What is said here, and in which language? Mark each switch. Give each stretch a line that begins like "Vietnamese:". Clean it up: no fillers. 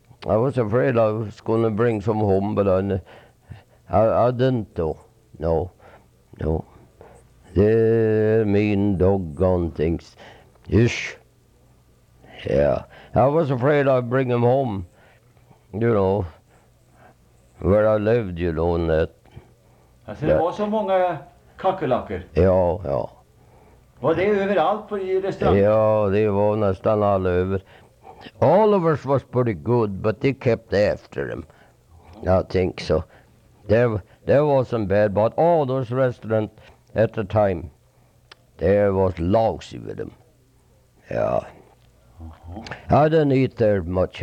English: I was afraid I was gonna bring some home, but I didn't though. No. They're mean doggone things. Ish. Yeah. I was afraid I'd bring him home, you know, where I lived, you know, and that.
Swedish: Alltså det var så många kackerlackor. Ja. Var det överallt på restaurangen? Ja, det var nästan all över.
English: Oliver's was pretty good, but they kept after him. I think so. There wasn't bad, but all those restaurants at the time, there was lousy with them. Yeah. Uh-huh. I didn't eat there much.